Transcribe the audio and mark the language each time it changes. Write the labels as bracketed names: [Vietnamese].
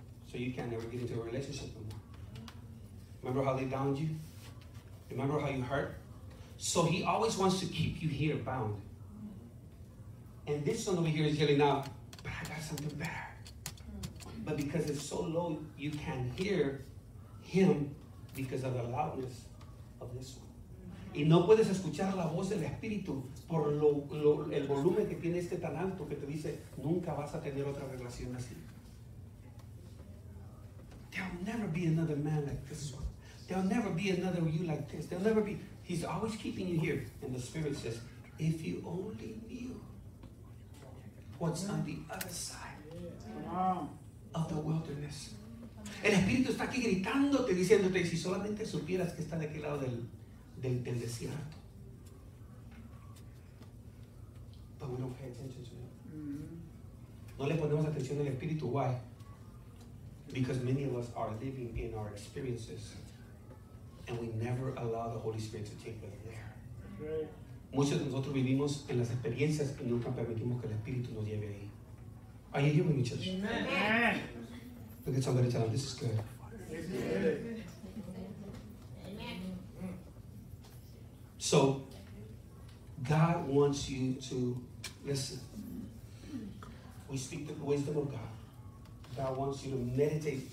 [English] So you can't ever get into a relationship no more. Remember how they downed you? Remember how you hurt? So he always wants to keep you here bound. And this one over here is yelling out, but I got something better. But because it's so low, you can't hear him because of the loudness of this one. [Spanish] Y no puedes escuchar la voz del espíritu por el volumen que tiene este tan alto que te dice, nunca vas a tener otra relación así. [English] There'll never be another man like this one. There'll never be another you like this. There'll never be. He's always keeping you here. And the Spirit says, if you only knew what's on the other side of the wilderness. [Spanish] El espíritu está aquí gritándote, diciéndote, si solamente supieras que está de aquel lado del desierto. [English] But we don't pay attention to him. [Spanish] No le ponemos atención al espíritu. [English] Why? Because many of us are living in our experiences and we never allow the Holy Spirit to take us there. [Spanish] Muchos de nosotros vivimos en las experiencias y nunca permitimos que el espíritu nos lleve ahí. [English] Are you hearing me, church? Amen. Look at somebody, tell them this is good. Amen. So, God wants you to listen. We speak the wisdom of God. God wants you to meditate.